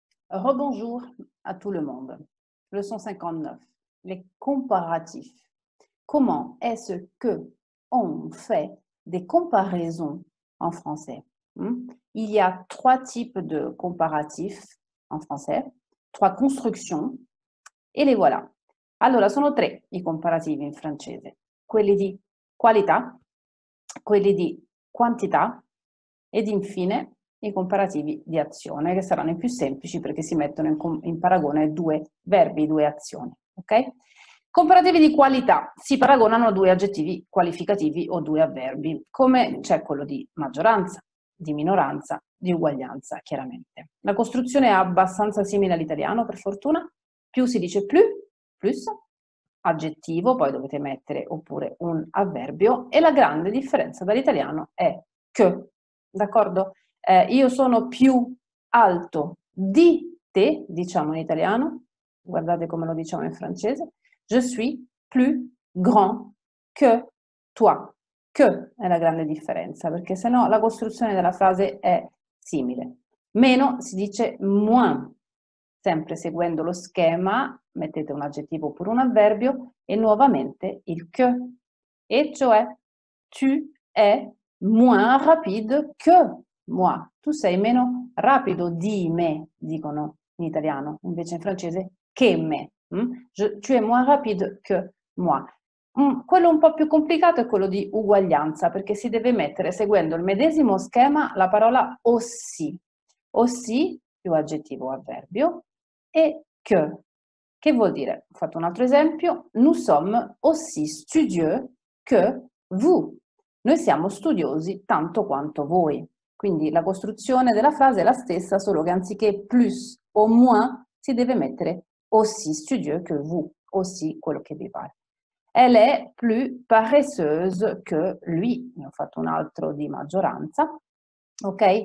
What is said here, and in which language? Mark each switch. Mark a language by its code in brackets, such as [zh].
[fr] Rebonjour à tout le monde. Leçon 59. Les comparatifs. Comment est-ce que on fait des comparaisons en français? Il y a trois types de comparatifs en français, trois constructions, et les voilà. [it] Allora, sono tre i comparativi in francese. Quelli di qualità, quelli di quantità, ed infine i comparativi di azione, che saranno i più semplici perché si mettono in paragone due verbi, due azioni, ok? Comparativi di qualità, si paragonano due aggettivi qualificativi o due avverbi, come c'è quello di maggioranza, di minoranza, di uguaglianza, chiaramente. La costruzione è abbastanza simile all'italiano, per fortuna. Più si dice più, plus, aggettivo, poi dovete mettere oppure un avverbio, e la grande differenza dall'italiano è che, d'accordo? Io sono più alto di te, diciamo in italiano, guardate come lo diciamo in francese. [fr] Je suis plus grand que toi. [it] Che è la grande differenza, perché sennò la costruzione della frase è simile. Meno si dice moins, sempre seguendo lo schema, mettete un aggettivo oppure un avverbio, e nuovamente il che, e cioè [fr] tu es moins rapide que. [it] Moi, tu sei meno rapido di me, dicono in italiano, invece in francese, che me. [fr] Tu es moins rapide que moi. [it] Quello un po' più complicato è quello di uguaglianza, perché si deve mettere, seguendo il medesimo schema, la parola aussi. Aussi, più aggettivo o avverbio, e que. Che vuol dire? Ho fatto un altro esempio. [fr] Nous sommes aussi studieux que vous. [it] Noi siamo studiosi tanto quanto voi. Quindi la costruzione della frase è la stessa, solo che anziché plus o moins si deve mettere [fr] aussi studieux que vous, [it] aussi quello che vi pare. [fr] Elle est plus paresseuse que lui, [it] ne ho fatto un altro di maggioranza, ok?